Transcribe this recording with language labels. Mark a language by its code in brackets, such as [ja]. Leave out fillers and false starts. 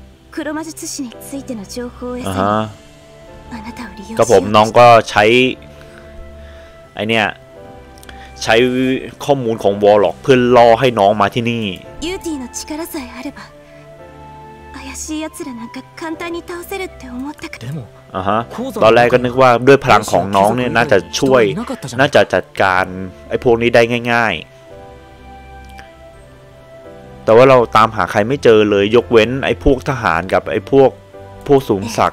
[ja] クロマジュツ氏についての情報を得ました。 [th] ก็ผมน้องก็ใช้ไอ้เนี่ยใช้ข้อมูลของวอลล็อกเพื่อล่อให้น้องมาที่นี่ [ja] ยูตีの力さえあれば怪しい奴らなんか簡単に倒せるって思ったけど。 [th] อ่าฮะตอนแรกก็นึกว่าด้วยพลังของน้องเนี่ยน่าจะช่วยน่าจะจัดการไอ้พวกนี้ได้ง่ายๆแต่ว่าเราตามหาใครไม่เจอเลยยกเว้นไอ้พวกทหารกับไอ้พวกสูงศัก